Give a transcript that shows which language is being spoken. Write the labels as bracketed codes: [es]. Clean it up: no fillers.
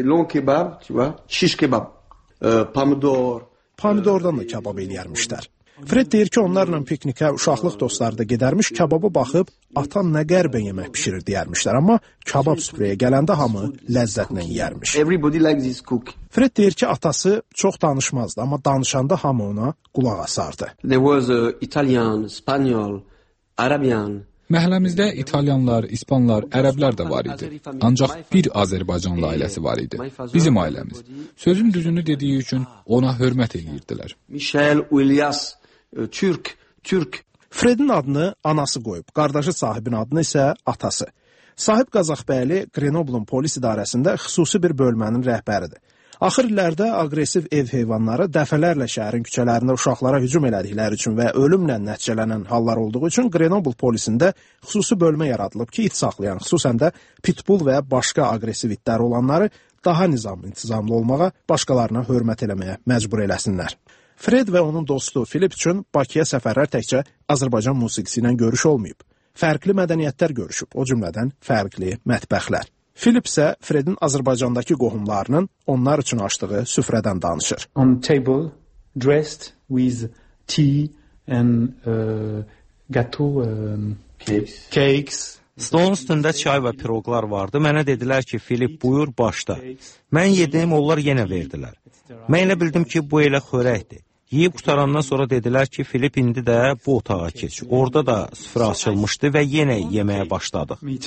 [az] Long kebab, şiş kebab, pomidor. Pomidordan da kebab eləyərmişlər. Fred deyir ki, onlarla piknikə uşaqlıq dostları da gedərmiş, kebaba baxıb, atan nə qərbə yemək pişirir deyərmişlər, amma kebab süfrəyə gələndə hamı ləzzətlə yiyərmiş. [en] Everybody likes his cook. [az] Fred deyir ki, atası çox danışmazdı, amma danışanda hamı ona qulaq asardı. [en] There was a Italian, Spaniel, Arabian. [az] Məhəlləmizdə İtalyanlar, İspanlar, Ərəblər də var idi. Ancaq bir Azərbaycanlı ailəsi var idi. Bizim ailəmiz. Sözün düzünü dediyi üçün ona hörmət edirdilər. Michel, Ilyas, Türk, Türk. Fredin adını anası qoyub, qardaşı sahibin adını isə atası. Sahib Qazaqbəyli Grenoble'un polis idarəsində xüsusi bir bölmənin rəhbəridir. Axır illərdə agresiv ev heyvanları dəfələrlə şəhərin küçələrində uşaqlara hücum elədikləri üçün və ölümlə nəticələnən hallar olduğu üçün Grenoble polisində xüsusi bölmə yaradılıb ki, it saxlayan, xüsusən də pitbull və başqa agresiv itlər olanları daha nizamlı olmağa, başqalarına hörmət eləməyə məcbur eləsinlər. Fred və onun dostu Filip üçün Bakıya səfərlər təkcə Azərbaycan musiqisi ilə görüş olmayıb. Fərqli mədəniyyətlər görüşüb, o cümlədən fərqli mətbəxlər. Filip isə Fredin Azərbaycandakı qohumlarının onlar üçün açdığı süfrədən danışır. [en] On table dressed with tea and gâteau cakes. [az] Stolun üstündə çay və piroqlar vardı. Mənə dedilər ki, Filip buyur başda. Mən yedim, onlar yenə verdilər. Mən elə bildim ki, bu elə xörəkdir. Yeyib qutarandan sonra dedilər ki, Filip indi də bu otağa keç. Orada da süfrə açılmışdı və yenə yeməyə başladıq.